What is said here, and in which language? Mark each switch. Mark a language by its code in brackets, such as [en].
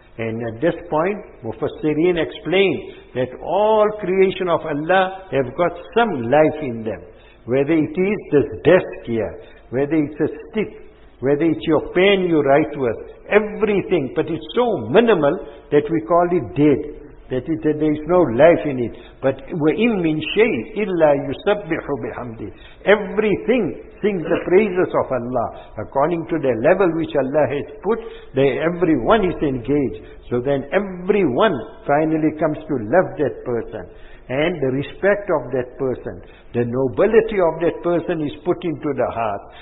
[en] And at this point, Mufassirin explained that all creation of Allah have got some life in them. whether it is this desk here, whether it's a stick, whether it's your pen you write with, everything, but it's so minimal that we call it dead, that it, that there is no life in it. [ar] But وَإِن مِّن شَيْءٍ إِلَّا يُسَبِّحُ بِحَمْدِهِ. [en] Everything sings the praises of Allah. According to the level which Allah has put, they, everyone is engaged. So then everyone finally comes to love that person. And the respect of that person, the nobility of that person is put into the heart.